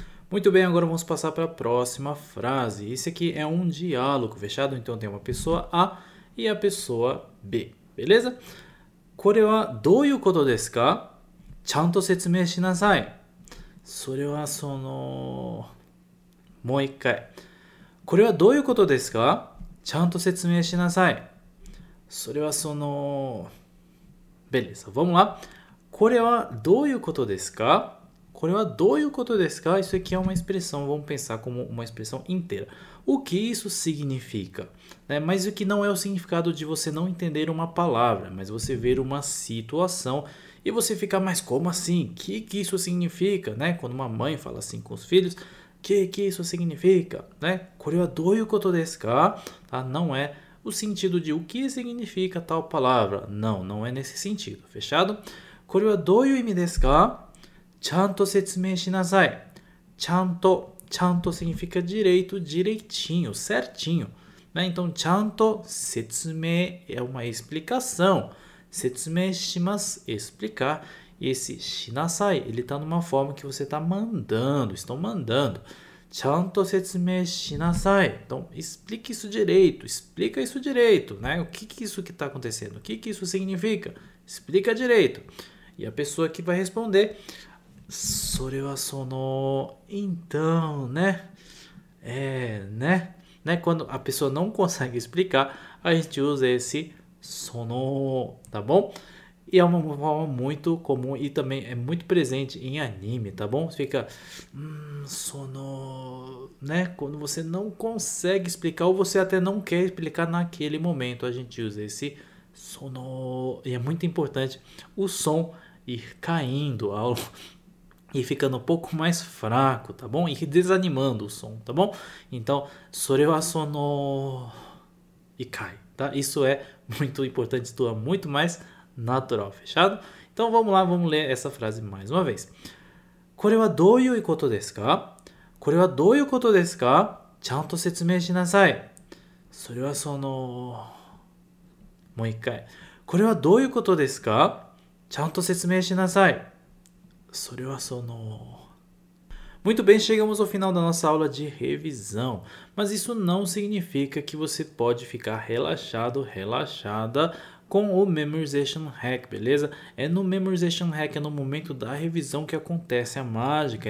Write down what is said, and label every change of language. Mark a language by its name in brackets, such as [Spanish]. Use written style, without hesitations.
[Portuguese] Muito bem, agora vamos passar para a próxima frase. Esse aqui é um diálogo fechado, então tem uma pessoa A e a pessoa B, beleza? [Japanese] これはどういうことですか？ちゃんと説明しなさい。それはその、もう一回。これはどういうことですか？ちゃんと説明しなさい。それはその、 [Portuguese] beleza, vamos lá. [Japanese] これはどういうことですか？これはどういうことですか？ [Portuguese] Isso aqui é uma expressão, vamos pensar como uma expressão inteira. O que isso significa? Né? Mas o que não é o significado de você não entender uma palavra, mas você ver uma situação e você ficar, mas como assim? Que isso significa? Né? Quando uma mãe fala assim com os filhos, que isso significa? Né? [Japanese] これはどういうことですか？ [Portuguese] Tá? Não é o sentido de o que significa tal palavra. Não é nesse sentido, fechado? [Japanese] これはどういう意味ですか？ちゃんと説明しなさい。ちゃんと [Portuguese] significa direito, direitinho, certinho, né? Então, [Japanese] ちゃんと説明 [Portuguese] é uma explicação. [Japanese] 説明します、 [Portuguese] explicar. E esse [Japanese] しなさい、 [Portuguese] ele está numa forma que você está mandando, estão mandando. [Japanese] ちゃんと説明しなさい。 [Portuguese] Então, explique isso direito, explica isso direito, né? O que que isso que está acontecendo? O que que isso significa? Explica direito. E a pessoa que vai responder, [Japanese] それはその、 [Portuguese] então, né? É, né? Né? Quando a pessoa não consegue explicar, a gente usa esse その, tá bom? E é uma forma muito comum e também é muito presente em anime, tá bom? Fica, その, né? Quando você não consegue explicar ou você até não quer explicar naquele momento, a gente usa esse その. E é muito importante o som ir caindo, algo. E ficando um pouco mais fraco, tá bom? E desanimando o som, tá bom? Então, [Japanese] sore wa sono [Portuguese] e cai, tá? Isso é muito importante, soa muito mais natural, fechado? Então vamos lá, vamos ler essa frase mais uma vez. [Japanese] これはどういうことですか？これはどういうことですか？ちゃんと説明しなさい。それはその、もう一回。これはどういうことですか？ちゃんと説明しなさい。それはその。 [Portuguese] Muito bem, chegamos ao final da nossa aula de revisão. Mas isso não significa que você pode ficar relaxado, relaxada com o Memorization Hack, beleza? É no Memorization Hack, é no momento da revisão que acontece a mágica.